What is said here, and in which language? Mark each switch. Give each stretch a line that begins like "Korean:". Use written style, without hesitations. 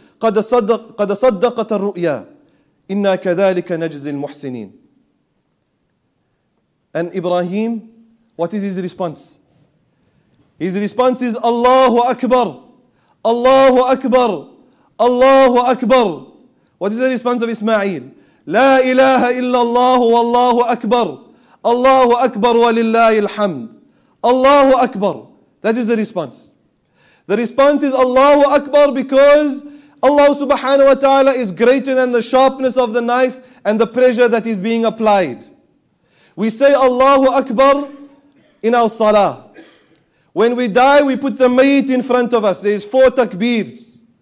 Arabic: قَدْ صَدَّقَتَ الرُّؤْيَا. إِنَّا كَذَلِكَ نَجْزِ الْمُحْسِنِينَ.
English: And Ibrahim, what is his response? His response is, Allahu Akbar, Allahu Akbar, Allahu Akbar. What is the response of Ismail?
Arabic: لا إله إلا الله والله أكبر الله أكبر ولله الحمد الله أكبر.
English: That is the response. The response is Allahu Akbar, because Allah subhanahu wa ta'ala is greater than the sharpness of the knife and the pressure that is being applied. We say Allahu Akbar in our salah. When we die, we put the mayit in front of us. There is four takbirs.